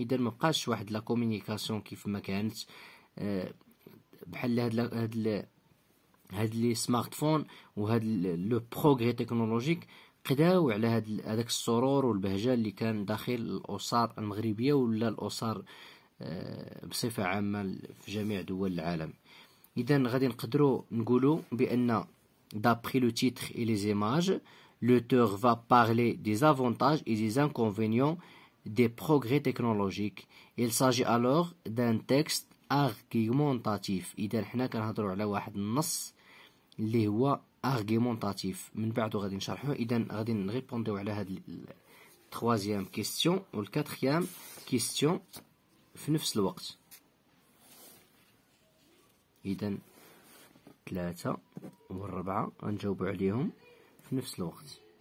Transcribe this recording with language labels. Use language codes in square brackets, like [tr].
[ar] اذا ما بقاش واحد لا كومونيكاسيون كيف ما كانت، بحال هاد لي سمارت فون وهاد لو بروغري تكنولوجيك قداو على هذاك السرور والبهجه اللي كان داخل الاسر المغربيه ولا الاسر بصفه عامه في جميع دول العالم. اذا غادي نقدروا نقولوا بان [fr] دابري لو تيتر اي لي زيماج لوتور فا بارلي دي زافونتاج اي دي زانكونفينيون دي بروغري تكنولوجيك. il s'agit alors d'un texte argumentatif. [ar] اذا حنا كنهضروا على واحد النص اللي هو argumentatif. من بعد غادي نشرحوا. اذا غادي نريبونديو على هاد التخوازيام كيستيون والكاتريام كيستيون في نفس الوقت. اذا ثلاثة والربعة غنجاوب عليهم في نفس الوقت.